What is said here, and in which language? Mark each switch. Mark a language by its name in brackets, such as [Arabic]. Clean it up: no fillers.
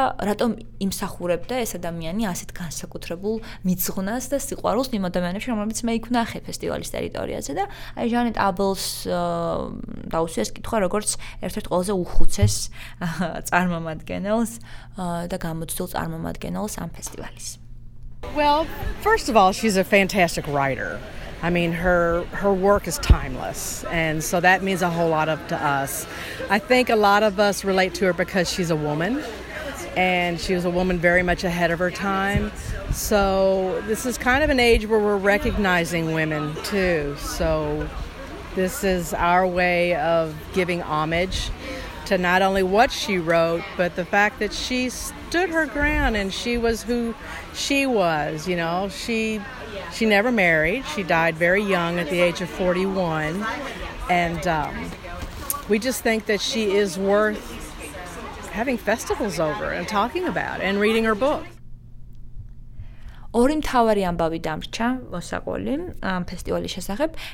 [Georgian] რატომ იმსახურებდა ეს ადამიანი ასეთ განსაკუთრებულ მიძღვნას და სიყვარულს იმ ადამიანებს, რომლებიც მე იქ ვნახე ფესტივალის ტერიტორიაზე და აი ჟანეტ აბელს დაუსვეს კითხვა როგორც ერთ-ერთ ყველაზე უხუცეს წარმომადგენელს და გამოცდილ წარმომადგენელს ამ ფესტივალის. [English] Well, first of all, she's a fantastic writer. I mean her work is timeless and so that means a whole lot to us. I think a lot of us relate to her because she's a woman and she was a woman very much ahead of her time. So this is kind of an age where we're recognizing women too. So this is our way of giving homage to not only what she wrote but the fact that she stood her ground and she was who she was, you know. She never married. She died very young at the age of 41. And we just think that she is worth having festivals over and talking about and reading her book. [Georgian] ორი მთავარი ამბავი დამრჩა მოსაყოლი ამ ფესტივალის შესახებ.